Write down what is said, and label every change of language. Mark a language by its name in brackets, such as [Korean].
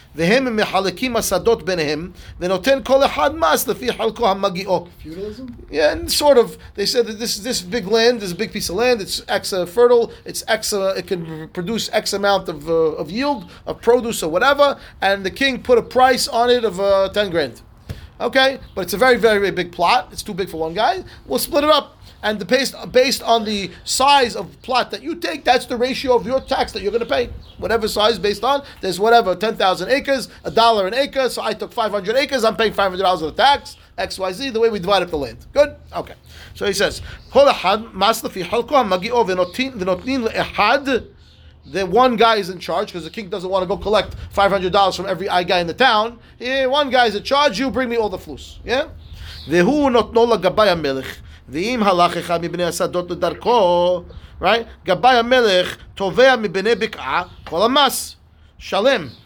[Hebrew] והם מחלקים מסדות ביניהם, ונותן כל אחד מס לפי חלקו המגיעו. [English] Feudalism? Yeah, and sort of. They said that this big land, this big piece of land, it's X fertile, it's X, it can produce X amount of yield, of produce or whatever, and the king put a price on it of 10 grand. Okay? But it's a very, very, very big plot. It's too big for one guy. We'll split it up. And the based on the size of plot that you take, that's the ratio of your tax that you're going to pay. Whatever size based on, there's whatever, 10,000 acres, $1 an acre. So I took 500 acres, I'm paying $500 of the tax, XYZ, the way we divide up the land. Good? Okay. So he says, [Hebrew] Kol ahad mas lefi halko hamagi'o v'notnin le'ehad. [English] The one guy is in charge, because the king doesn't want to go collect $500 from every guy in the town. Yeah, one guy is in charge, you bring me all the flus. Yeah? [Hebrew] V'hu notno l'gabay ha-melech. ואם הלך אחד מבני השדות לדרכו, [English] right? [Hebrew] גבי המלך תובע מבני בקעה כל המס שלם.